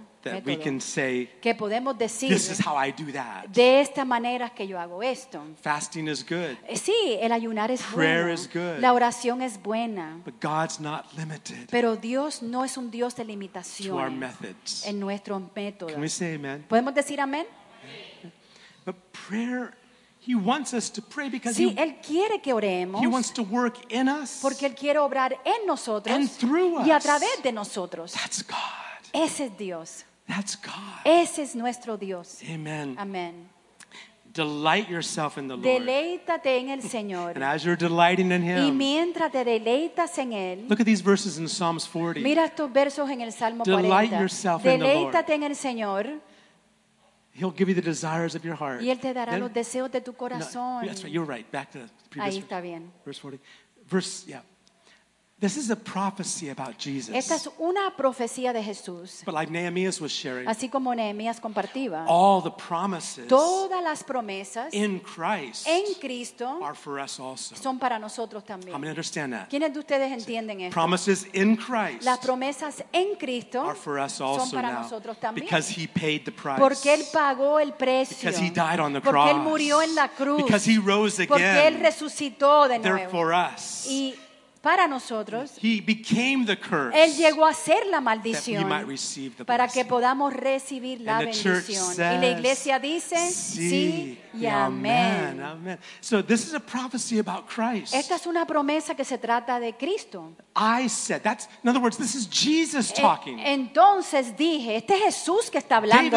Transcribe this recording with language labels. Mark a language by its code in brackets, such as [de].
[en] That we can say, [es] que podemos decir, [en] this is how I do that. [es] De esta manera que yo hago esto. [en] Fasting is good. [es] Sí, el ayunar es [en] prayer [es] bueno. [en] Is good. [es] La oración es buena. [en] But God's not limited. [es] Pero Dios no es un Dios de limitaciones. [en] To our methods. [es] En nuestros métodos. [en] Can we say amen? [es] ¿Podemos decir amén? [en] But prayer, he wants us to pray because [es] sí, [en] he, [es] él quiere que oremos. [en] He wants to work in us. [es] Porque él quiere obrar en nosotros. [en] And through us. [es] Y a través de nosotros. [en] That's God. [es] Ese es Dios. [en] That's God. [es] Ese es nuestro Dios. [en] Amen. [es] Amen. [en] Delight yourself in the Lord. [es] Deleítate en el Señor. [en] And as you're delighting in Him. [es] Y mientras te deleitas en él. [en] Look at these verses in Psalms 40. [es] Mira estos versos en el Salmo 40. [en] Delight yourself in the Lord. [es] Deleítate en el Señor. [en] He'll give you the desires of your heart. [es] Y él te dará los deseos de tu corazón. [en] No, that's right. You're right. Back to the previous. [es] Ahí está bien. [en] Verse 40. Verse, yeah. This is a prophecy about Jesus. [es] Esta es una profecía de Jesús. [en] But like Nehemiah was sharing, [es] así como Nehemías compartía, [en] all the promises, [es] todas las promesas, [en] in Christ, [es] en Cristo, [en] are for us also. [es] Son para nosotros también. [en] How many understand that? [es] ¿Quiénes de ustedes entienden esto? [en] Promises in Christ, [es] las promesas en Cristo, [en] are for us also [es] son para [en] now, [es] nosotros también. [en] Because He paid the price. [es] Porque él pagó el precio. [en] Because He died on the [es] porque [en] cross. [es] Porque él murió en la cruz. [en] Because He rose again. [es] Porque él resucitó de nuevo. [en] They're for us. [es] Y para nosotros. [en] He became the curse. [es] Él llegó a ser la maldición [en] that we might receive the [es] para [en] blessing. [es] Que podamos recibir la [en] And the [es] bendición. [en] Church says, [es] y la iglesia dice, sí. Sí. [en] Amen. Amen. So this is a prophecy about Christ. [es] Esta es una promesa que se trata de Cristo. [en] I said, that's, in other words, this is Jesus talking. [es] Entonces dije, este es Jesús que está hablando